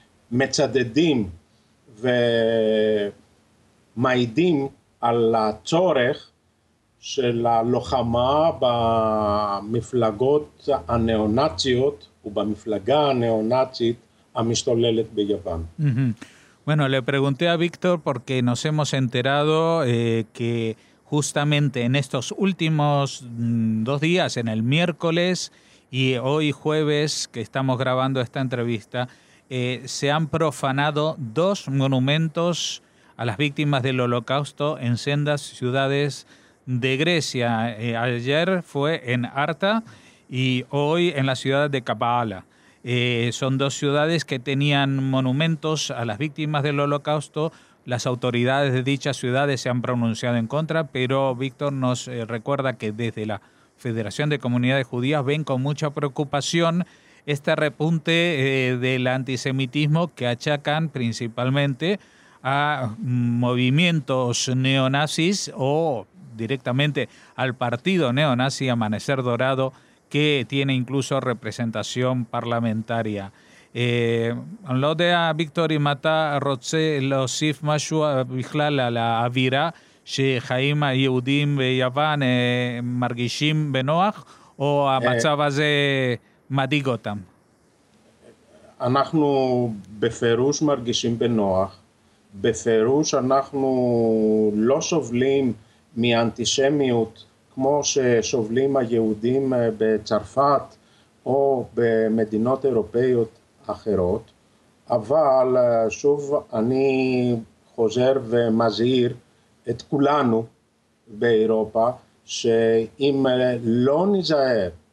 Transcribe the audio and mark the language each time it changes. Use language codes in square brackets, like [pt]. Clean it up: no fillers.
[he] מצדדים ומעידים על הצורך של הלוחמה במפלגות הנאונאציות ובמפלגה הנאונאצית המשתוללת ביוון. [es] Bueno, le pregunté a Víctor porque nos hemos enterado que justamente en estos últimos dos días, en el miércoles y hoy jueves que estamos grabando esta entrevista, se han profanado dos monumentos a las víctimas del Holocausto en sendas ciudades de Grecia. Ayer fue en Arta y hoy en la ciudad de Kabala. Son dos ciudades que tenían monumentos a las víctimas del Holocausto. Las autoridades de dichas ciudades se han pronunciado en contra, pero Víctor nos recuerda que desde la Federación de Comunidades Judías ven con mucha preocupación este repunte del antisemitismo que achacan principalmente a movimientos neonazis o directamente al partido neonazi Amanecer Dorado, que tiene incluso representación parlamentaria. [he] לא יודע, ויקטור, אם אתה רוצה להוסיף משהו בכלל על האווירה שחיים היהודים ביוון מרגישים בנוח, או המצב הזה מדאיג אותם? אנחנו בפירוש מרגישים בנוח. בפירוש אנחנו לא סובלים מאנטישמיות כמו שסובלים היהודים בצרפת או במדינות אירופאיות אחרות, אבל שוב אני חוזר ומזהיר את כולנו באירופה שאם לא נזהר